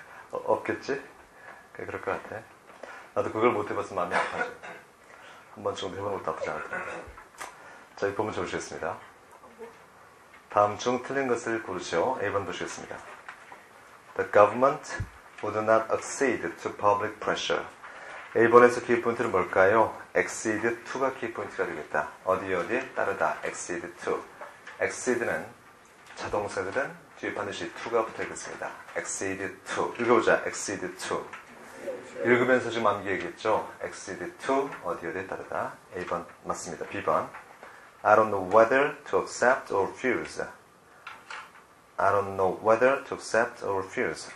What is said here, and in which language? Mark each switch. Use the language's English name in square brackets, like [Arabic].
[Korean] 없겠지? 그럴 것 같아. 나도 그걸 못해봤으면 마음이 아파져. 한번 정도 해보는 것도 나쁘지 않을 텐데. 자, 이 부분 적으시겠습니다. 다음 중 틀린 것을 고르시오. A번 보시겠습니다. [English] The government would not accede to public pressure. [Korean] A번에서 키포인트는 뭘까요? [English] Accede to [Korean] 가 키포인트가 되겠다. 어디 어디 따르다. Accede to. Accede는 자동사들은 뒤에 반드시 to가 붙어있겠습니다. [English] Accede to. [Korean] 읽어보자. Accede to. 읽으면서 지금 암기 얘기했죠. [English] Accede to. [Korean] 어디 어디 따르다. A번 맞습니다. B번. [English] I don't know whether to accept or refuse. I don't know whether to accept or refuse.